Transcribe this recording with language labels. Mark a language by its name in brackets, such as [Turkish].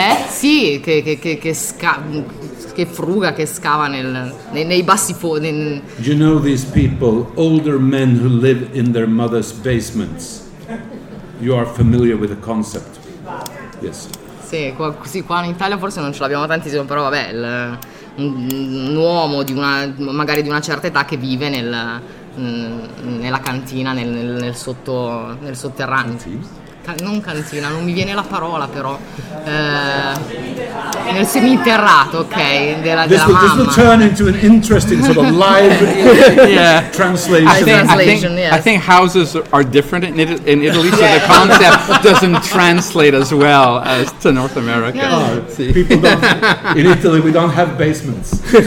[Italian] Sì, che fruga, che scava nei bassi fondi. [English] You know these people, older men who live in their mother's basements. You are familiar with the concept? Yes. [Italian] Sì, qua in Italia forse non ce l'abbiamo tantissimo, però vabbè, un uomo di una certa età che vive nella cantina, nel sotterraneo. Non cantina, non mi viene la parola però. Nel seminterrato, ok, della mamma. [English] This will turn into an interesting sort of live translation. I think houses are different in Italy, so the concept doesn't translate as well as to North America. Yeah. Oh, people don't, in Italy we don't have basements.